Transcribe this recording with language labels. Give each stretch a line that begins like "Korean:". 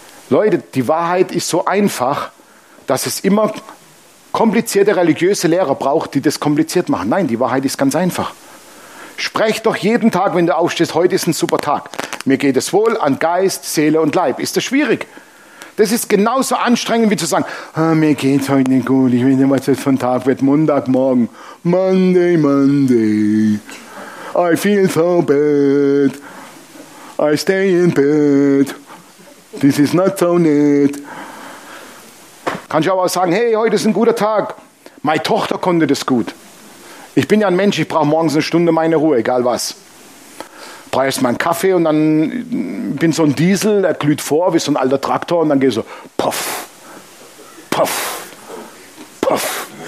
German: Leute, die Wahrheit ist so einfach, dass es immer komplizierte religiöse Lehrer braucht, die das kompliziert machen. Nein, die Wahrheit ist ganz einfach. Sprech doch jeden Tag, wenn du aufstehst, heute ist ein super Tag. Mir geht es wohl an Geist, Seele und Leib. Ist das schwierig? Das ist genauso anstrengend, wie zu sagen, oh, mir geht es heute nicht gut, ich weiß nicht, was das für ein Tag wird, Montagmorgen.
English: Monday, Monday, I feel so bad, I stay in bed, this is not so neat.
German: Kannst du aber auch sagen, hey, heute ist ein guter Tag, meine Tochter konnte das gut. Ich bin ja ein Mensch, ich brauche morgens eine Stunde meine Ruhe, egal was. Brauche erstmal einen Kaffee und dann bin so ein Diesel, der glüht vor wie so ein alter Traktor und dann gehe ich so, puff, puff, puff.